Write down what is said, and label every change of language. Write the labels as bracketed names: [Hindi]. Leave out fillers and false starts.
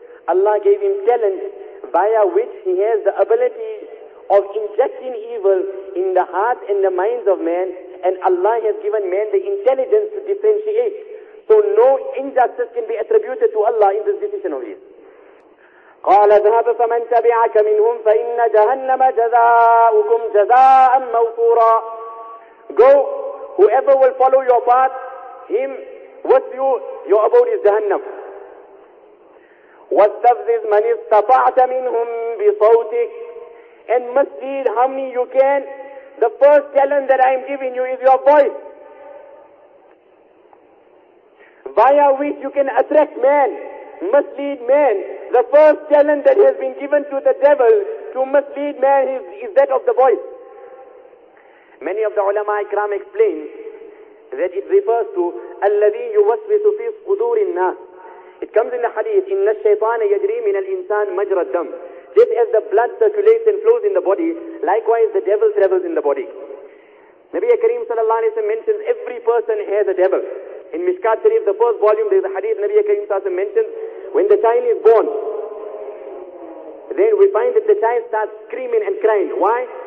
[English] Allah gave him talent via which he has the ability of injecting evil in the heart and the minds of man, and Allah has given man the intelligence to differentiate. So no injustice can be attributed to Allah in this decision of his. [Arabic] قال اذهب فمن تبعك منهم فإن جهنم جزاؤكم جزاء موفورا. [English] Go, whoever will follow your path, him with you, your abode is Jahannam. [Arabic] واستفزز من استطعت منهم بصوتك. [English] And mislead how many you can. The first talent that I am giving you is your voice, via which you can attract man, mislead man. The first talent that has been given to the devil to mislead man is that of the voice. Many of the ulama ikram explain that it refers to [Arabic] الذي يوسوس في صدور الناس. [English] It comes in the hadith, [Arabic] إن الشيطان يجري من الإنسان مجرى الدم. [English] Just as the blood circulates and flows in the body, likewise the devil travels in the body. Nabi Kareem sallallahu alayhi wa sallam mentions every person has a devil. In Mishkat Sharif, the first volume, there is a hadith Nabi Kareem sallallahu alayhi wa sallam mentions, when the child is born, then we find that the child starts screaming and crying. Why?